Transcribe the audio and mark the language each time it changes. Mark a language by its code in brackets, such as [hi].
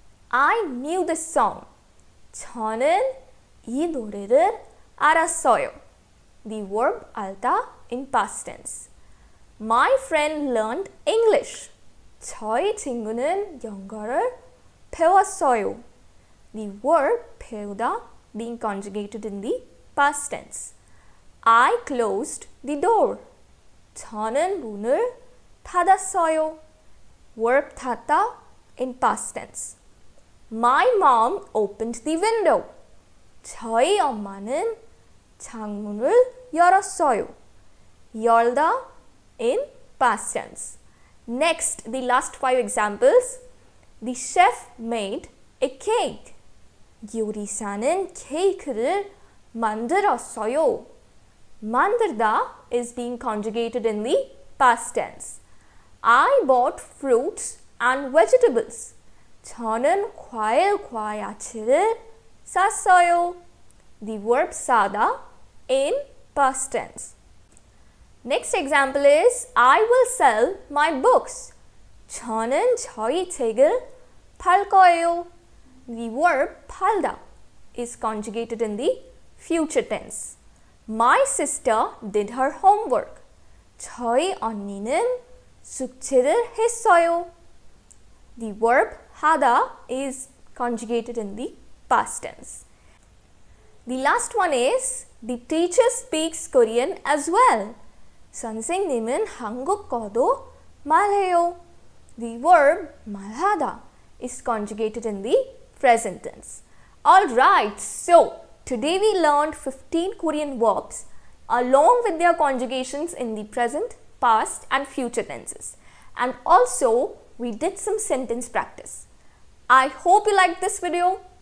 [en] I knew this song. [ko] 저는 이 노래를 알았어요. [en] The verb 알다 in past tense. My friend learned English. [ko] 저희 친구는 영어를 배웠어요. [en] The verb 배우다 being conjugated in the past tense. I closed the door. [ko] 저는 문을 닫았어요. [en] Verb 닫다 in past tense. My mom opened the window. [ko] 저희 엄마는 창문을 열었어요. [en] 열다 in past tense. Next, the last five examples. The chef made a cake. [ko] 요리사는 케이크를 만들었어요. [en] 만들다 is being conjugated in the past tense. I bought fruits and vegetables. [ko] 저는 과일과 야채를 샀어요. [en] The verb 사다 in past tense. Next example is, I will sell my books. [ko] 저는 저희 책을 팔 거예요. [en] The verb 팔다 is conjugated in the future tense. My sister did her homework. [ko] 저희 언니는 숙제를 했어요. [en] The verb 하다 is conjugated in the past tense. The last one is, the teacher speaks Korean as well. [ko] 선생님은 한국어도 말해요. [en] The verb 말하다 is conjugated in the present tense. Alright, so today we learned 15 Korean verbs along with their conjugations in the present, past and future tenses. And also we did some sentence practice. I hope you liked this video.